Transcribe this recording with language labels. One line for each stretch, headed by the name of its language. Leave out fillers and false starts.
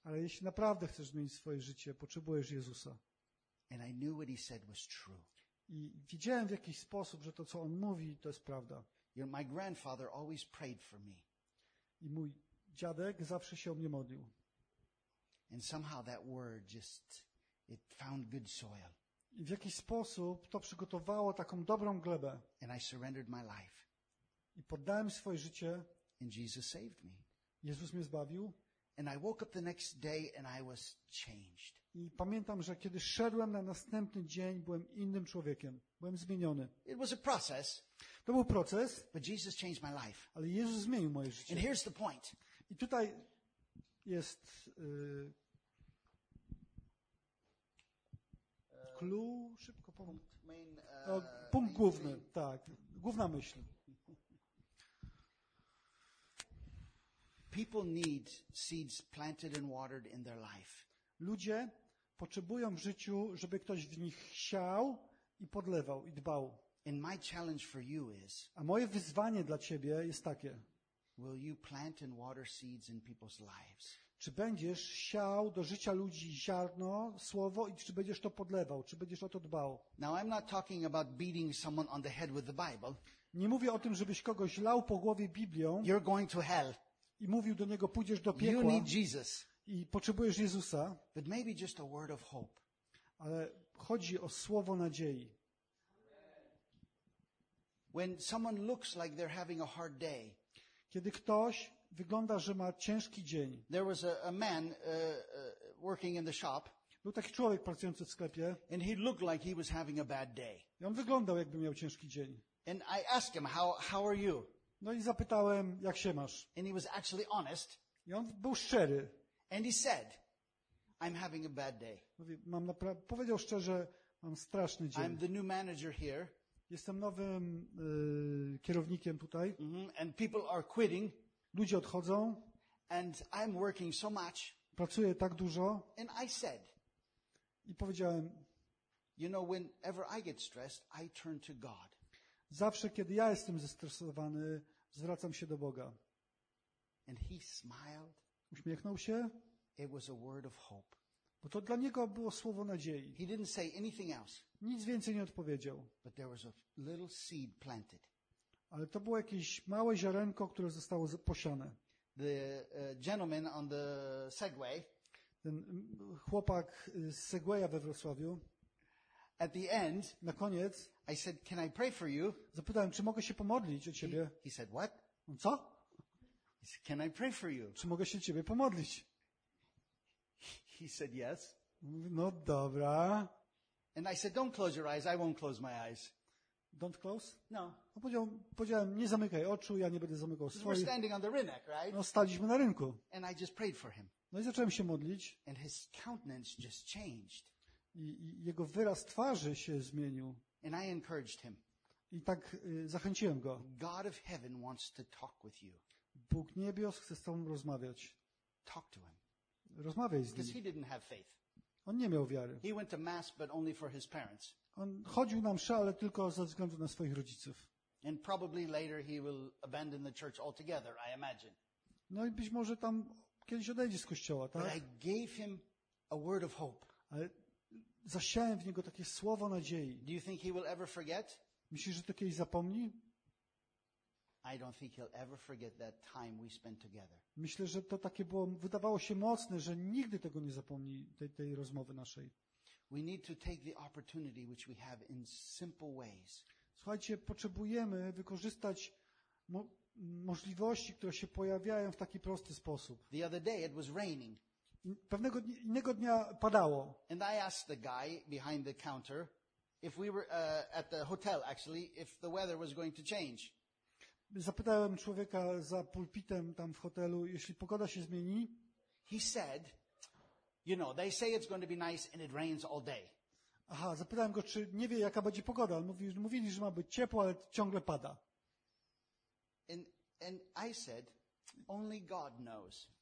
Polish: Ale jeśli naprawdę chcesz zmienić swoje życie, potrzebujesz Jezusa.
English: And I knew what he said was true.
Polish: I widziałem w jakiś sposób, że to, co on mówi, to jest prawda.
English: You know, my grandfather always prayed for me.
Polish: I mój dziadek zawsze się o mnie modlił.
English: And somehow that word just, it found good soil.
Polish: I w jakiś sposób to przygotowało taką dobrą glebę.
English: And I surrendered my life.
Polish: I poddałem swoje życie.
English: And Jesus saved me.
Polish: Jezus mnie zbawił.
English: And I woke up the next day and I was changed.
Polish: I pamiętam, że kiedy szedłem na następny dzień, byłem innym człowiekiem. Byłem zmieniony.
English: It was a process.
Polish: To był proces.
English: But Jesus changed my life.
Polish: Ale Jezus zmienił moje życie.
English: And here's the point.
Polish: I tutaj jest clue, szybko punkt. Punkt główny, tak. Główna myśl.
English: People need seeds planted and watered in their life.
Polish: Ludzie potrzebują w życiu, żeby ktoś w nich siał i podlewał i dbał.
English: And my challenge for you is.
Polish: A moje wyzwanie dla ciebie jest takie.
English: Will you plant and water seeds in people's lives?
Polish: Czy będziesz siał do życia ludzi ziarno, słowo i czy będziesz to podlewał, czy będziesz o to dbał?
English: Now I'm not talking about beating someone on the head with the Bible.
Polish: Nie mówię o tym, żebyś kogoś lał po głowie Biblią.
English: You're going to hell.
Polish: I mówił do niego, pójdziesz do piekła.
English: You need Jesus.
Polish: I potrzebujesz Jezusa.
English: But maybe just a word of hope.
Polish: Ale chodzi o słowo nadziei.
English: When someone looks like they're having a hard day.
Polish: Kiedy ktoś wygląda, że ma ciężki dzień.
English: There was a man working in the shop.
Polish: Był taki człowiek pracujący w sklepie.
English: And he looked like he was having a bad day.
Polish: I on wyglądał, jakby miał ciężki dzień.
English: And I asked him, how are you?
Polish: No i zapytałem, jak się masz.
English: And he was actually honest.
Polish: I on był szczery.
English: And he said, I'm having a bad day.
Polish: Mówi, mam powiedział szczerze, mam straszny dzień.
English: I'm the new manager here.
Polish: Jestem nowym kierownikiem tutaj. Mm-hmm.
English: And people are quitting.
Polish: Ludzie odchodzą.
English: And I'm working so much.
Polish: Pracuję tak dużo.
English: And I said,
Polish: i powiedziałem,
English: you know, whenever I get stressed, I turn to God.
Polish: Zawsze, kiedy ja jestem zestresowany, zwracam się do Boga.
English: And he smiled.
Polish: Uśmiechnął się.
English: It was a word of hope.
Polish: Bo to dla niego było słowo nadziei.
English: He didn't say anything else.
Polish: Nic więcej nie odpowiedział.
English: But there was a little seed planted.
Polish: Ale to było jakieś małe ziarenko, które zostało posiane.
English: The gentleman on the Segway.
Polish: Ten chłopak z Segwaya we Wrocławiu.
English: At the end,
Polish: na koniec,
English: I said, "Can I pray for you?"
Polish: Zapytałem, czy mogę się pomodlić o ciebie.
English: He said, "What?"
Polish: On co?
English: He said, "Can I pray for you?"
Polish: Czy mogę się ciebie pomodlić?
English: He said, "Yes."
Polish: No dobra.
English: And I said, "Don't close your eyes. I won't close my eyes." Don't close? No.
Polish: A powiedziałem, nie zamykaj oczu, ja nie będę zamykał swoich.
English: We're standing on the rynek, right?
Polish: No, staliśmy na rynku.
English: And I just prayed for him.
Polish: No i zacząłem się modlić.
English: And his countenance just changed.
Polish: I jego wyraz twarzy się zmienił.
English: And I encouraged him.
Polish: I tak zachęciłem go.
English: God of heaven wants to talk with you.
Polish: Bóg niebios chce z tobą rozmawiać.
English: Talk to him.
Polish: Rozmawiaj z nim.
English: Because he didn't have faith.
Polish: On nie miał wiary.
English: He went to mass, but only for his parents.
Polish: On chodził na mszę, ale tylko ze względu na swoich rodziców.
English: And probably later he will abandon the church altogether, I imagine.
Polish: No i być może tam kiedyś odejdzie z kościoła, tak?
English: But I gave him a word of hope.
Polish: Ale zasiałem w niego takie słowo nadziei.
English: Do you think he will ever forget?
Polish: Myślisz, że to kiedyś zapomni?
English: I don't think he'll ever forget that time we spent together.
Polish: Myślę, że to takie było, wydawało się mocne, że nigdy tego nie zapomni, tej rozmowy naszej.
English: We need to take the opportunity which we have in simple ways.
Polish: Słuchajcie, potrzebujemy wykorzystać możliwości, które się pojawiają w taki prosty sposób.
English: The other day it was raining.
Polish: Pewnego innego dnia padało.
English: And I asked the guy behind the counter if we were at the hotel actually if the weather was going to change.
Polish: Zapytałem człowieka za pulpitem tam w hotelu, jeśli pogoda się zmieni.
English: He said, you know, they say it's going to be nice and it rains all day.
Polish: Aha, zapytałem go, czy nie wie, jaka będzie pogoda. Mówili, że ma być ciepło, ale ciągle pada.
English: And I said, only God knows.